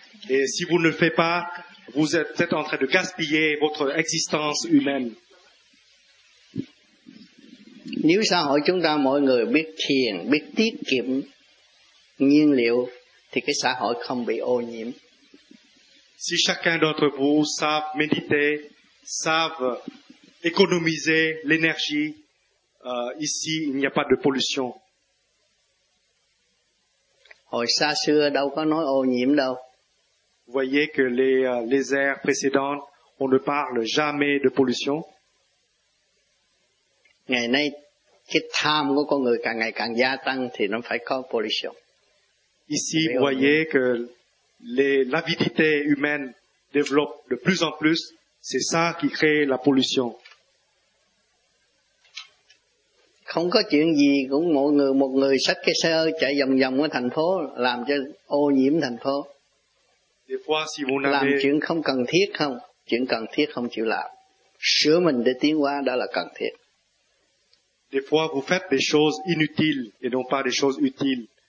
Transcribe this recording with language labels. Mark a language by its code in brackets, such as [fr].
[fr] Et si vous ne le faites pas, vous êtes en train de gaspiller votre existence humaine. [vi] Nếu xã hội chúng ta mọi người biết thiền, biết tiết kiệm nhiên liệu, thì cái xã hội không bị ô nhiễm. [fr] Si chacun d'entre vous savent méditer, savent économiser l'énergie, ici il n'y a pas de pollution. [vi] Hồi xa xưa đâu có nói ô nhiễm đâu. [fr] Vous voyez que les ères précédentes, on ne parle jamais de pollution. [vi] Ngày nay cái tham của con người càng ngày càng gia tăng thì nó phải có pollution. [fr] Ici vous voyez que l'avidité humaine développe de plus en plus, c'est ça qui crée la pollution. [vi] Không có chuyện gì cũng một người xách cái xe chạy vòng vòng ở thành phố làm cho ô nhiễm thành phố. [fr] Des fois, si vous [vi] làm chuyện không cần thiết không, chuyện cần thiết không chịu làm. Sửa mình để tiến hóa đó là cần thiết. [fr] Des fois, vous faites des choses inutiles et non pas des choses utiles.